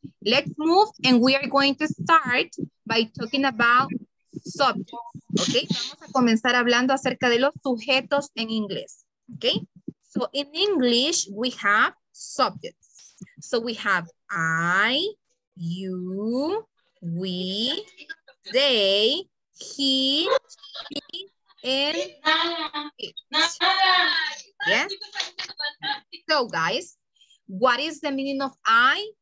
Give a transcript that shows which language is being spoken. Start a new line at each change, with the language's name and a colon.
English: Let's move and we are going to start by talking about subjects, ok?
Spanish: Vamos a comenzar hablando acerca de los sujetos en inglés, ok?
English: So in English, we have subjects. So we have I, you, we, they, he, she, and it. Yes? So guys, what is the meaning of I?